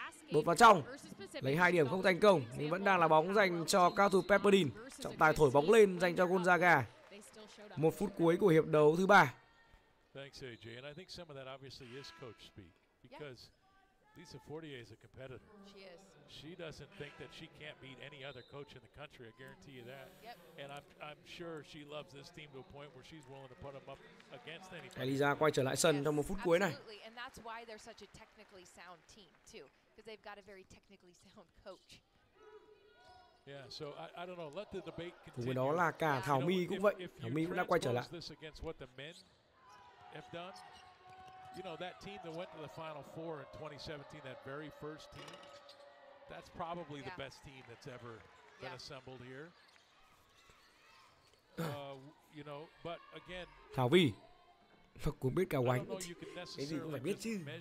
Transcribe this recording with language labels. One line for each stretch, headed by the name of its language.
Vietnamese: Đột vào trong lấy hai điểm không thành công nhưng vẫn đang là bóng dành cho cao thủ Pepperdine. Trọng tài thổi bóng lên dành cho Gonzaga. Một phút cuối của hiệp đấu thứ ba.
English: Thanks, AJ. And I think some of that obviously is coach speak because Lisa Fortier is a competitor. She is. She doesn't think that she can't beat any other coach in the country. I guarantee you that. Yep. And I'm sure she loves this team to a point where she's willing to put them up against anybody.
Vietnamese: Eliza quay trở lại sân trong một phút cuối này.
English: Absolutely. And that's why they're such a technically sound team too, because they've got a very technically sound coach. Yeah, so I don't know. Let the debate continue.
Vietnamese: Cùng với đó là cả Thảo Mi cũng vậy. Thảo Mi cũng đã quay trở lại.
English: This against what the men have done. You know that team that went to the Final Four in 2017, that very first team. That's probably the best team that's ever been assembled here. You know, but again,
Vietnamese: Thảo Vy, thật cũng biết cả quánh. Cái gì cũng phải biết chứ.